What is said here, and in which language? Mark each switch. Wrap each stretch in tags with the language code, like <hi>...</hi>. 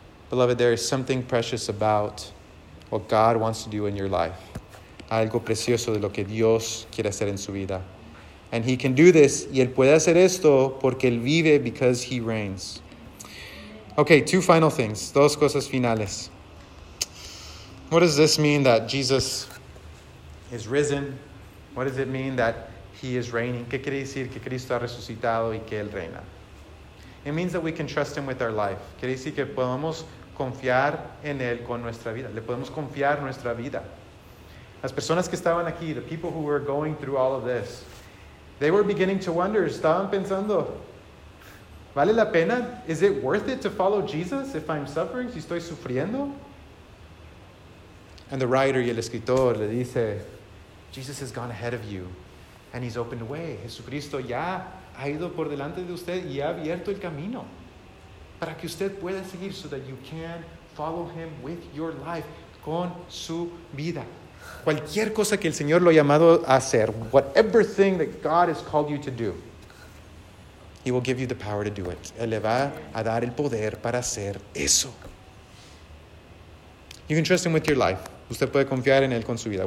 <en>Beloved, there is something precious about what God wants to do in your life.</en> <es>Algo precioso de lo que Dios quiere hacer en su vida.</es> <en>And he can do this,</en> <es>y él puede hacer esto, porque él vive,</es> <en>because he reigns. Okay, two final things.</en> <es>Dos cosas finales.</es> <en>What does this mean that Jesus is risen? What does it mean that he is reigning?</en> <es>¿Qué quiere decir que Cristo ha resucitado y que él reina?</es> <en>It means that we can trust him with our life.</en> <es>Quiere decir que podemos confiar en él con nuestra vida. Le podemos confiar nuestra vida. Las personas que estaban aquí,</es> <en>the people who were going through all of this, they were beginning to wonder,</en> <es>estaban pensando, ¿vale la pena?</es> <en>Is it worth it to follow Jesus if I'm suffering?</en> <es>Si estoy sufriendo?</es> <en>And the writer</en> <es>y el escritor le dice,</es> <en>Jesus has gone ahead of you and he's opened the way.</en> <es>Jesucristo ya ha ido por delante de usted y ha abierto el camino para que usted pueda seguir,</es> <en>so that you can follow him with your life,</en> <es>con su vida. Cualquier cosa que el Señor lo ha llamado a hacer,</es> <en>whatever thing that God has called you to do, he will give you the power to do it.</en> <es>Él le va a dar el poder para hacer eso.</es> <en>You can trust him with your life.</en> <es>Usted puede confiar en él con su vida.</es>